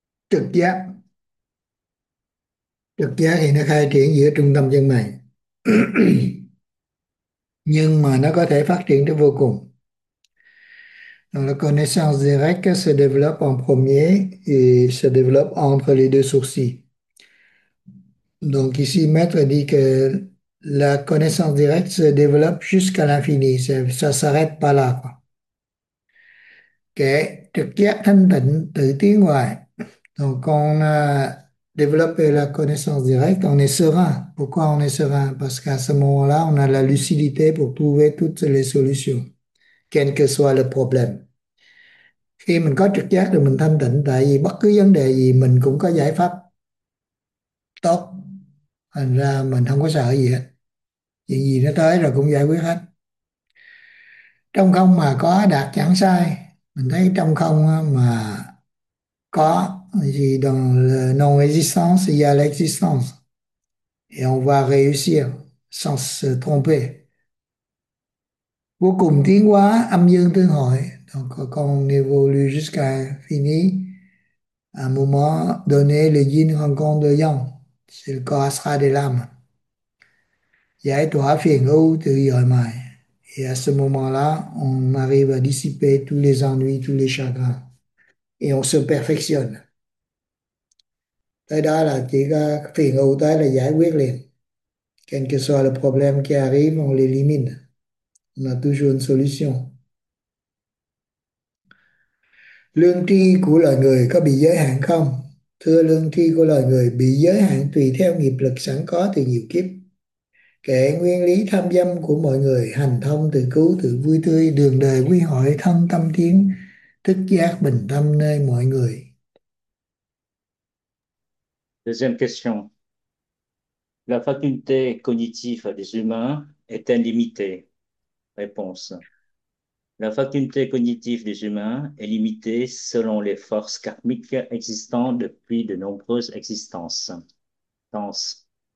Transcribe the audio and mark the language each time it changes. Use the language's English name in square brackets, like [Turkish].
[Vietnamese] Trực giác, trực giác thì nó khai triển giữa trung tâm chân mày nhưng mà nó có thể phát triển tới vô cùng. [French] Donc, la connaissance directe se développe en premier et se développe entre les deux sourcils. Donc ici, Maître dit que la connaissance directe se développe jusqu'à l'infini, ça ne s'arrête pas là, quoi. Okay. [Vietnamese] Trực giác thanh tịnh tự tiến ngoài. [French] Donc, on a développé la connaissance directe, on est serein. Pourquoi on est serein? Parce qu'à ce moment-là, on a la lucidité pour trouver toutes les solutions, quel que soit le problème. [Vietnamese] Khi mình có trực giác thì mình thanh tịnh, tại vì bất cứ vấn đề gì mình cũng có giải pháp tốt. Thành ra mình không có sợ gì hết. Chuyện gì nó tới rồi cũng giải quyết hết. Trong không mà có, đạt chẳng sai. Mình thấy trong không mà có, thì [French] dans la non-existence, il y a l'existence. Et on va réussir sans se tromper. [Vietnamese] Vô cùng tiến hóa, âm dương tương hội. [French] Donc, quand on évolue jusqu'à fini, à un moment donné, le yin rencontre le yang. C'est le corps astral de l'âme. [Vietnamese] Giải tỏa phiền ưu tự dời mài. [French] Et à ce moment-là, on arrive à dissiper tous les ennuis, tous les chagrins. Et on se perfectionne. [Vietnamese] Tới đó là chỉ có phiền ưu tới là giải quyết liền. [French] Quel que soit le problème qui arrive, on l'élimine. On a toujours une solution. [Vietnamese] Lương tri của loài người có bị giới hạn không? Thưa, lương tri của loài người bị giới hạn tùy theo nghiệp lực sẵn có từ nhiều kiếp. Kệ nguyên lý tham dâm của mọi người, hành thông tự cứu, tự vui tươi, đường đời quy hội, thân tâm tiến, thức giác bình tâm nơi mọi người. [French] Deuxième question. La faculté cognitive des humains est-elle limitée? Réponse. La faculté cognitive des humains est limitée selon les forces karmiques existantes depuis de nombreuses existences. Tense.